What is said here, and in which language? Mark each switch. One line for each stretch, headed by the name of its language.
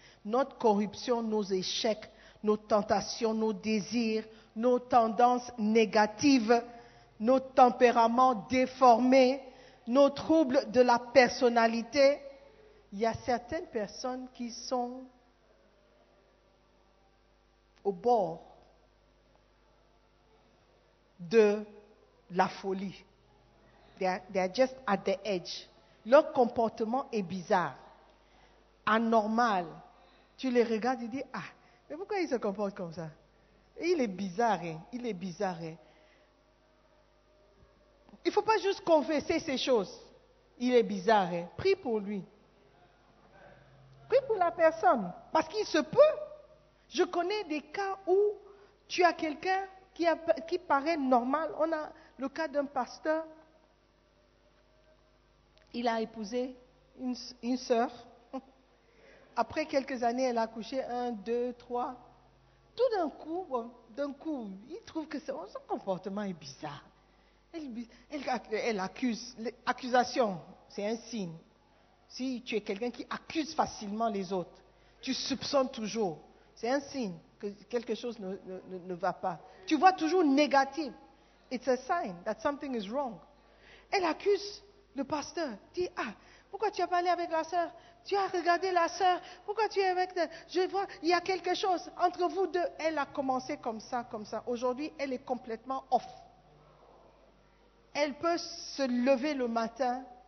French: Notre corruption, nos échecs, nos tentations, nos désirs, nos tendances négatives, nos tempéraments déformés, nos troubles de la personnalité. Il y a certaines personnes qui sont au bord de la folie.
English: They are just at the edge.
French: Leur comportement est bizarre, anormal. Tu les regardes et dis, ah, mais pourquoi il se comporte comme ça? Il est bizarre, hein? Il est bizarre. Hein? Il ne faut pas juste confesser ces choses. Il est bizarre. Hein? Prie pour lui. prie pour la personne. Parce qu'il se peut. Je connais des cas où tu as quelqu'un qui paraît normal. On a le cas d'un pasteur. Il a épousé une sœur. Après quelques années, elle a accouché un, deux, trois. Tout d'un coup, il trouve que son comportement est bizarre. Elle accuse. L'accusation, c'est un signe. Si tu es quelqu'un qui accuse facilement les autres, tu soupçonnes toujours. C'est un signe que quelque chose ne va pas. Tu vois toujours négatif.
English: It's a sign that something is wrong.
French: Elle accuse le pasteur. Dit, ah, pourquoi tu as parlé avec la sœur? Tu as regardé la sœur? Pourquoi tu es avec elle? Je vois, il y a quelque chose entre vous deux. Elle a commencé comme ça, comme ça. Aujourd'hui, elle est complètement off. Elle peut se lever le matin.